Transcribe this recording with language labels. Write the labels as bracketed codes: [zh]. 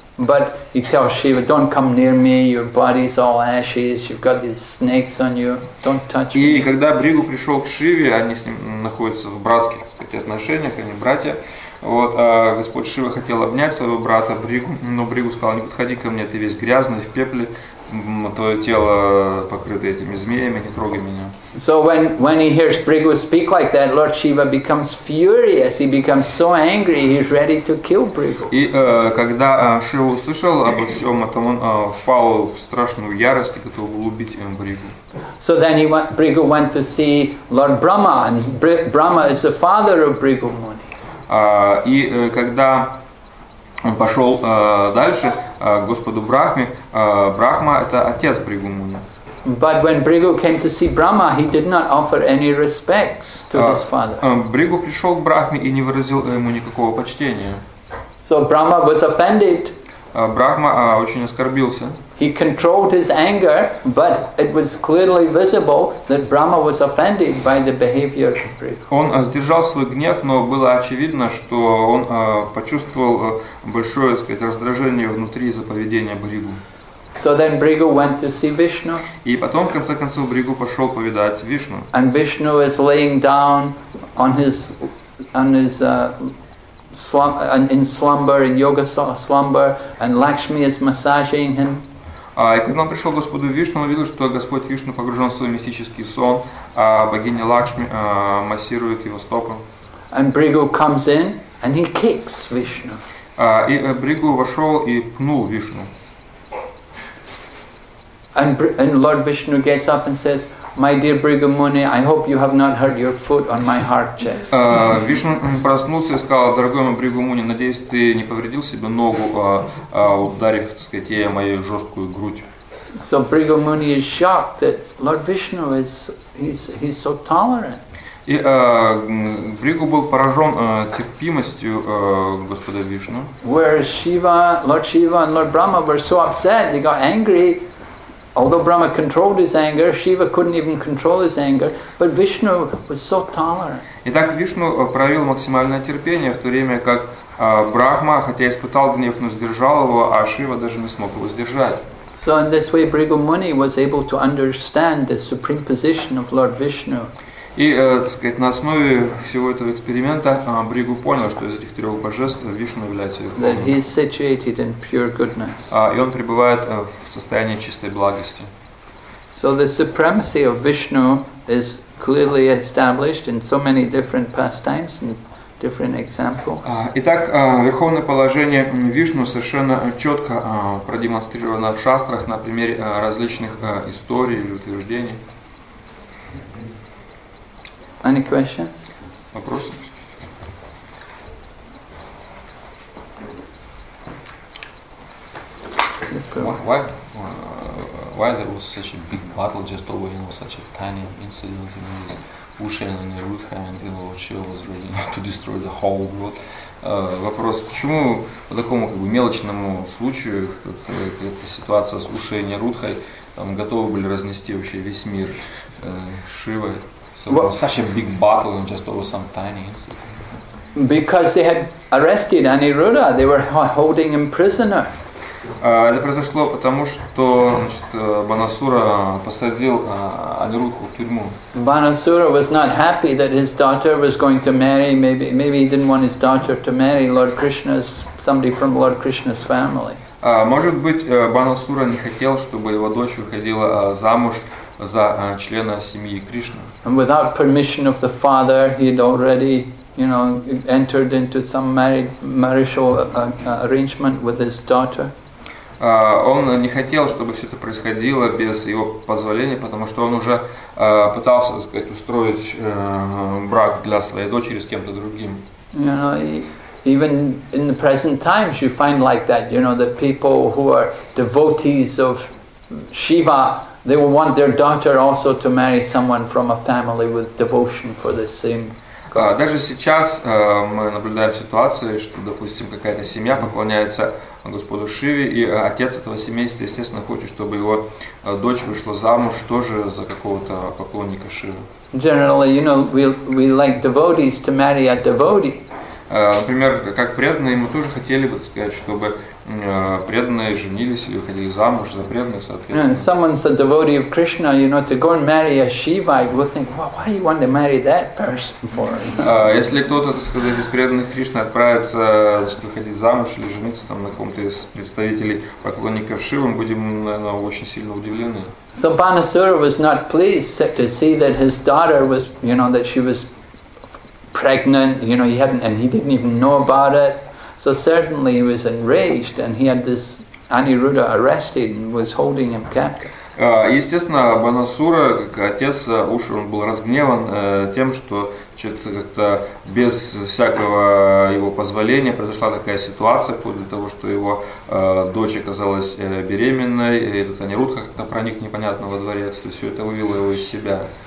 [en] But he tells Shiva, don't come near me, your body's all ashes, you've got these snakes on you, don't touch me. [ru] И когда Бригу пришел к Шиве, они с ним находятся в братских, так сказать, отношениях, они братья. Вот, Господь Шива хотел обнять своего брата Бригу, но Бригу сказал, не подходи ко мне, ты весь грязный, в пепле, твое тело покрыто этими змеями, не трогай меня. [en] So when he hears Bhrigu speak like that, Lord Shiva becomes furious. He becomes so angry. He's ready to kill Bhrigu. [ru] И когда Шива услышал обо всем этом, он впал в страшную ярость и готов был убить Бригу. [en] So then Bhrigu went to see Lord Brahma, and Brahma is the father of Bhrigu Muni. [ru] И когда он пошел дальше к Господу Брахме, Брахма это отец Бригу Муни. [en] But when Bhrigu came to see Brahma, he did not offer any respects to his father. [ru] Бригу пришел к Брахме и не выразил ему никакого почтения. [en] So Brahma was offended. [ru] Брахма очень оскорбился. [en] He controlled his anger, but it was clearly visible that Brahma was offended by the behavior of Bhrigu. [ru] Он сдержал свой гнев, но было очевидно, что он почувствовал большое, так сказать, раздражение внутри из-за поведения Бригу. [en] So then Bhrigu went to see Vishnu. [ru] И потом, в конце концов, Бригу пошел повидать Вишну. [en] And Vishnu is laying down in slumber, in yoga slumber, and Lakshmi is massaging him. [ru] И когда он пришел к Господу Вишну, он увидел, что Господь Вишну погружен в свой мистический сон, а богиня Лакшми массирует его стопы. [en] And Bhrigu comes in and he kicks Vishnu. [ru] И Бригу вошел и пнул Вишну. [en] And Lord Vishnu gets up and says, "My dear Bhrigu Muni, I hope you have not hurt your foot on my hard chest." [ru] Вишну проснулся и сказал: "Дорогой мой Бригу Муни, надеюсь, ты не повредил себе ногу, ударив, так сказать, ей мою жесткую грудь." [en] So Bhrigu Muni is shocked that Lord Vishnu is so tolerant. [ru] И Бригу был поражен терпимостью Господа Вишну. [en] Whereas Lord Shiva and Lord Brahma were so upset, they got angry. Although Brahma controlled his anger, Shiva couldn't even control his anger, but Vishnu was so tolerant. [ru] Итак, Вишну проявил максимальное терпение, в то время как Брахма, хотя испытал гнев, но сдержал его, а Шива даже не смог его сдержать. [en] So in this way, Bhrigu Muni was able to understand the supreme position of Lord Vishnu. [ru] И, так сказать, на основе всего этого эксперимента Бригу понял, что из этих трех божеств Вишну является верховным. [en] That he is situated in pure goodness. [ru] И он пребывает в состоянии чистой благости. [en] So the supremacy of Vishnu is clearly established in so many different pastimes and different examples. [ru] Итак, верховное положение Вишну совершенно четко продемонстрировано в шастрах на примере различных историй или утверждений. [en] Any question? [ru] Вопросы? [en] Why there was such a big battle just over, you know, such a tiny incident in his ocean and the root hand, you know, Shiva was ready to destroy the whole world. [ru] Вопрос, почему по такому как бы мелочному случаю, эта ситуация с ушей Нерудхой, там готовы были разнести вообще весь мир Шивой? [en] Such a big battle and just over some tiny incident. Because they had arrested Aniruddha, they were holding him prisoner. [ru] Это произошло потому, что Банасура посадил Анирудху в тюрьму. [en] Банасура was not happy that his daughter was going to marry, maybe he didn't want his daughter to marry Lord Krishna's, somebody from Lord Krishna's family. [ru] Может быть, Банасура не хотел, чтобы его дочь выходила замуж за члена семьи Кришны. [en] And without permission of the father, he had already, you know, entered into some marital arrangement with his daughter. [ru] Он не хотел, чтобы все это происходило без его позволения, потому что он уже пытался, так сказать, устроить брак для своей дочери с кем-то другим. [en] You know, even in the present times, you find like that. You know, the people who are devotees of Shiva, they will want their daughter also to marry someone from a family with devotion for the same. [ru] Даже сейчас мы наблюдаем ситуацию, что, допустим, какая-то семья поклоняется Господу Шиве, и отец этого семейства, естественно, хочет, чтобы его дочь вышла замуж тоже за какого-то поклонника Шивы. [en] Generally, you know, we like devotees to marry a devotee. [ru] Например, как преданные, мы тоже хотели бы сказать, чтобы преданные женились или выходили замуж за преданных, соответственно. [en] Someone's a devotee of Krishna, you know, to go and marry a Shivite, we'll think, well, why do you want to marry that person for? [ru] Если кто-то, так сказать, из преданных Кришны отправится, значит, выходить замуж или жениться там на ком-то из представителей поклонников Шивы, мы будем, наверное, очень сильно удивлены. [en] So Banasura was not pleased to see that his daughter was, you know, that she was pregnant, you know, he didn't even know about it. So certainly he was enraged, and he had this Aniruddha arrested and was holding him captive. [ru] Естественно, Банасура, как отец Уши, он был разгневан тем, что что-то как-то без всякого его позволения произошла такая ситуация, вплоть до того, что его дочь оказалась беременной, и этот Анирудха как-то проник непонятно во дворец, то все это вывело его из себя.